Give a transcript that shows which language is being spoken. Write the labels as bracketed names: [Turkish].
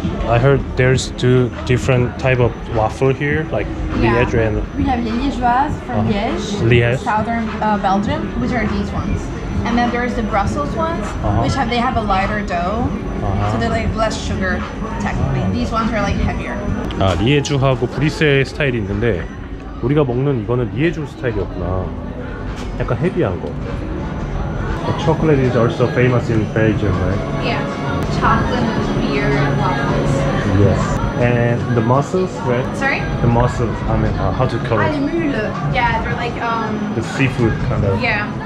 [English] I heard there's two different type of waffle here, like Liège and... We have Liègeoise from Liège, Liège. Southern Belgium, which are these ones. And then there's the Brussels ones, which have, they have a lighter dough, so they're like less sugar technically. These ones are like heavier. [Korean] 아, 리에주하고 브뤼셀 스타일이 있는데 우리가 먹는 이거는 리에주 스타일이었구나. 약간 헤비한 거. [English] The chocolate is also famous in Belgium, right? Yeah. chocolate beer waffles. Yes. And the mussels, right? Sorry? The mussels, I mean, how to call it? Almule. Yeah, they're like... The seafood kind of. Yeah.